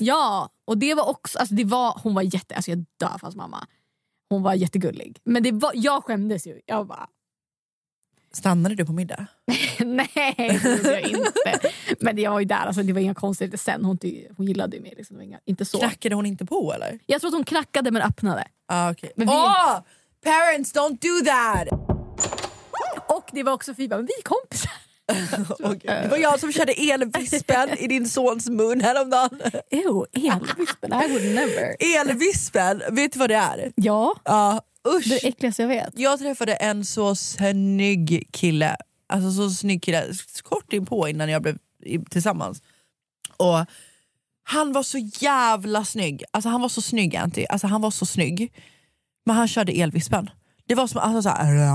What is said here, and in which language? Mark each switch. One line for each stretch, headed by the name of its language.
Swedish: Och, ja, och det var också, alltså det var, hon var jätte, alltså jag dör för hans mamma. Hon var jättegullig. Men det var, jag skämdes ju, jag bara. Stannade du på middag? Nej, det gjorde jag inte. Men jag var ju där, alltså det var inga konstigheter sen. Hon gillade ju mig liksom, inte så. Knackade hon inte på eller? Jag tror att hon knackade men öppnade. Ah, okay.
English: Men parents, don't do that!
Swedish: Och det var också Fiba, men vi är kompisar. Okay. Det var jag som körde elvispen i din sons mun häromdagen.
English: Ew, elvispen, I would never.
Swedish: Elvispen, vet du vad det är? Ja. Ja. Usch. Det äckligaste jag vet. Jag träffade en så snygg kille. Alltså så snygg kille. Kort in på innan jag blev tillsammans. Och han var så jävla snygg. Alltså han var så snygg, Antti. Alltså han var så snygg. Men han körde elvispen. Det var som alltså, så här.